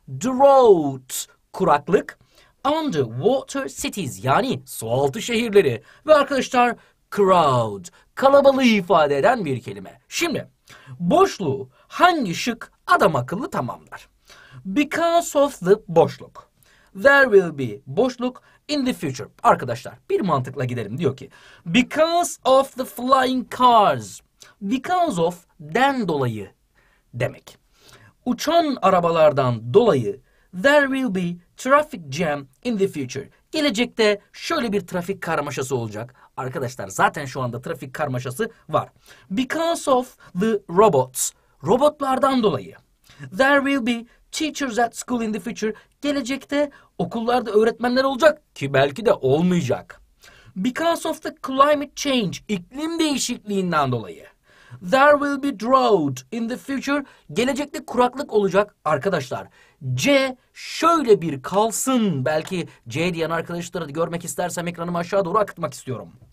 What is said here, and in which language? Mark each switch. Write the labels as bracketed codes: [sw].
[tr] Drought, kuraklık. [en] Underwater cities, [tr] yani sualtı şehirleri. Ve arkadaşlar, crowd, kalabalığı ifade eden bir kelime. Şimdi, boşluğu hangi şık adam akıllı tamamlar? [en] Because of the boşluk. There will be boşluk in the future. [tr] Arkadaşlar bir mantıkla gidelim. Diyor ki [en] because of the flying cars. Because of [tr] den dolayı demek. Uçan arabalardan dolayı [en] there will be traffic jam in the future. [tr] Gelecekte şöyle bir trafik karmaşası olacak. Arkadaşlar zaten şu anda trafik karmaşası var. [en] Because of the robots. [tr] Robotlardan dolayı. [en] There will be teachers at school in the future. [tr] Gelecekte okullarda öğretmenler olacak ki belki de olmayacak. [en] Because of the climate change, [tr] iklim değişikliğinden dolayı. [en] There will be drought in the future. [tr] Gelecekte kuraklık olacak arkadaşlar. C şöyle bir kalsın. Belki C diyen arkadaşları da görmek istersem ekranımı aşağı doğru akıtmak istiyorum.